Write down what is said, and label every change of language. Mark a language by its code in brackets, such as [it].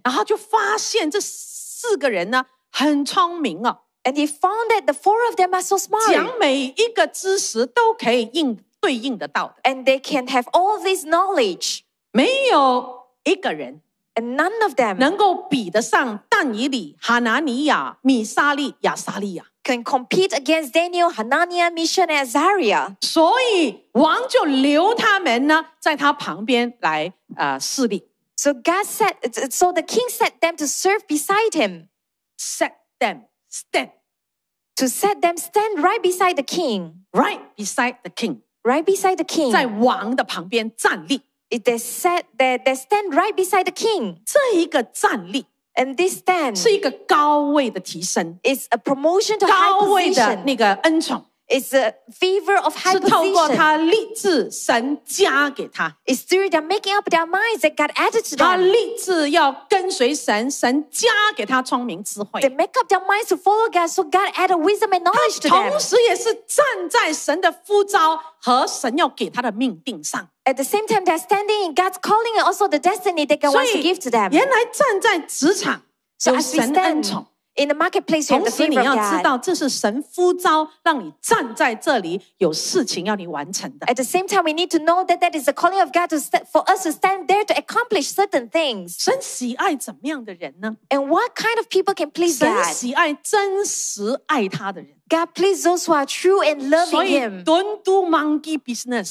[zh] 然后就发现这四个人呢很聪明哦。 [en] And he found that the four of them are so smart. [zh] 讲每一个知识都可以应对应得到的。 [en] And they can have all this knowledge. [zh] 没有一个人。 [en] And none of them [zh] 能够比得上但以理、哈拿尼亚、米沙利、亚撒利亚 [en] can compete against Daniel, Hananiah, Mishael, and Azariah. [zh] 所以王就留他们呢，在他旁边来侍立。 [en] So God said, so the king set them to serve beside him. Set them stand. To set them stand right beside the king. Right beside the king. Right beside the king. [zh] 在王的旁边站立。 [en] They said that they stand right beside the king. [zh] 这一个站立 [en] and this stand [zh] 是一个高位的提升 [en] It's a promotion to high position. [zh] 高位的那个恩宠 [en] It's a favor of high position. [zh] 是透过他立志，神加给他 [en] It's through them making up their minds that God added to them. [zh] 他立志要跟随神，神加给他聪明智慧 [en] They make up their minds to follow God, so God added wisdom and knowledge to them. [zh] 同时也是站在神的呼召和神要给他的命定上。 [en] At the same time, they're standing in God's calling and also the destiny that God wants to give to them. [zh] 原来站在职场有神恩宠。 [en] In the marketplace, you have the favor of God. [zh] 同时你要知道这是神呼召让你站在这里有事情要你完成的。 [en] At the same time, we need to know that that is the calling of God for us to stand there to accomplish certain things. [zh] 神喜爱怎么样的人呢 [en] And what kind of people can please God? [zh] 神喜爱真实爱他的人。 [en] God, please those who are true and loving him. So don't do monkey business.